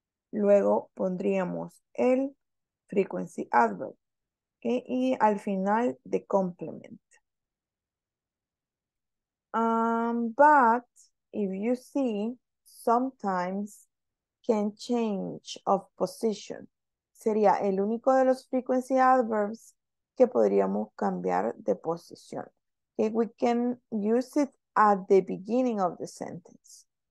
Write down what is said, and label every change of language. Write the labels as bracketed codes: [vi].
[es] Luego pondríamos el frequency adverb, okay, y al final the complement. [en] But if you see, sometimes can change of position. [es] Sería el único de los frequency adverbs que podríamos cambiar de posición. [en] Okay, we can use it at the beginning of the sentence.